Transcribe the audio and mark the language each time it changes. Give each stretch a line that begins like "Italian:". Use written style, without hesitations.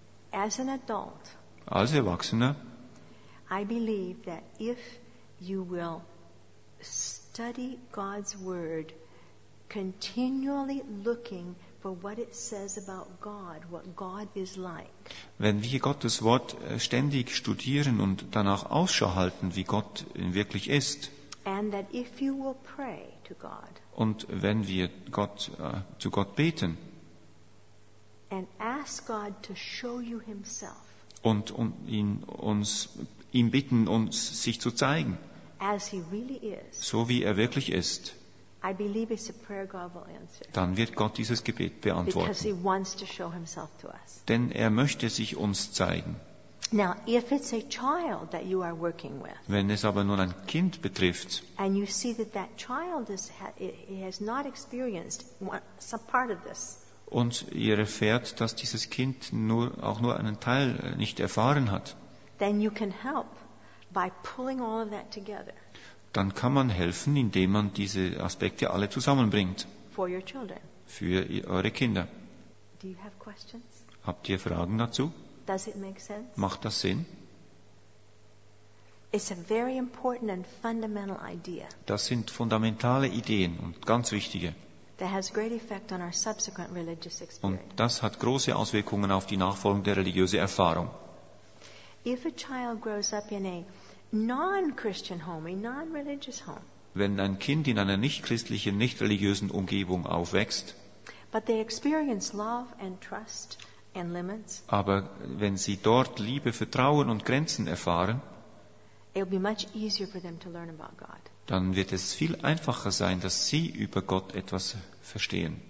English: As an adult,
German: als Erwachsener,
English: I believe that if you will study God's word continually looking for what it says about God, what God is like.
German: Wenn wir Gottes Wort ständig studieren und danach Ausschau halten, wie Gott wirklich ist.
English: And that if you will pray to God.
German: Und wenn wir Gott zu Gott beten.
English: And ask God to show you himself.
German: Und ihn bitten, uns sich zu zeigen.
English: As he really is.
German: So wie er wirklich ist.
English: I believe it's a prayer God will answer.
German: Dann wird Gott dieses Gebet beantworten.
English: Because he wants to show himself to us.
German: Denn er möchte sich uns zeigen.
English: Now, if it's a child that you are working with,
German: wenn es aber nun ein Kind betrifft,
English: and you see that that child is, has not experienced some part of this,
German: und ihr erfährt, dass dieses Kind nur, auch nur einen Teil nicht erfahren hat,
English: then you can help by pulling all of that together.
German: Dann kann man helfen, indem man diese Aspekte alle zusammenbringt.
English: For your children.
German: Für eure Kinder.
English: Do you have questions?
German: Habt ihr Fragen dazu?
English: Does it make sense?
German: Macht das Sinn?
English: It's a very important and fundamental idea.
German: Das sind fundamentale Ideen und ganz wichtige.
English: That has great effect on our subsequent religious experience.
German: Und das hat große Auswirkungen auf die nachfolgende religiöse Erfahrung.
English: If a child grows up in a non-Christian home, a non-religious home,
German: wenn ein Kind in einer nicht-christlichen, nicht-religiösen Umgebung aufwächst,
English: but they experience love and trust and limits,
German: aber wenn sie dort Liebe, Vertrauen und Grenzen erfahren,
English: it'll be much easier for them to learn about God.
German: Dann wird es viel einfacher sein, dass sie über Gott etwas verstehen,